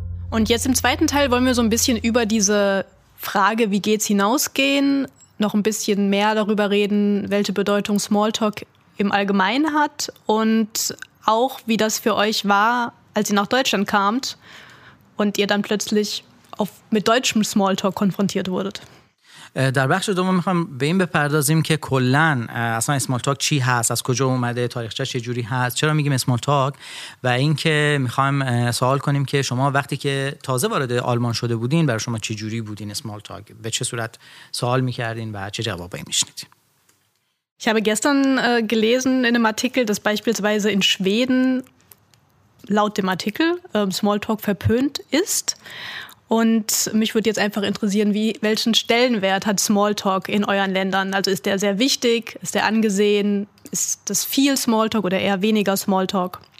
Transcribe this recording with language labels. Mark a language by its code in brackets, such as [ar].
[de] Und jetzt im zweiten Teil wollen wir so ein bisschen über diese Frage, wie geht's hinausgehen, noch ein bisschen mehr darüber reden, welche Bedeutung Smalltalk im Allgemeinen hat und auch, wie das für euch war, als ihr nach Deutschland kamt. Und ihr dann plötzlich mit deutschem Smalltalk konfrontiert wurdet. [fa] در بخش دوم میخوام به این بپردازیم که کلن اصلا اسمالتاک چی هست، از کجا اومده، تاریخچه چه جوری هست، چرا میگیم اسمالتاک، و این که میخوایم سوال کنیم که شما وقتی که تازه وارد آلمان شده بودین برای شما چه جوری بودین اسمالتاک، به چه صورت سوال میکردین و چه جوابایی میشنیدین. [de] Ich habe gestern gelesen in einem Artikel, dass beispielsweise in Schweden laut dem Artikel Smalltalk verpönt ist. Und mich würde jetzt einfach interessieren, welchen Stellenwert hat Smalltalk in euren Ländern? Also ist der sehr wichtig? Ist der angesehen? Ist das viel Smalltalk oder eher weniger Smalltalk?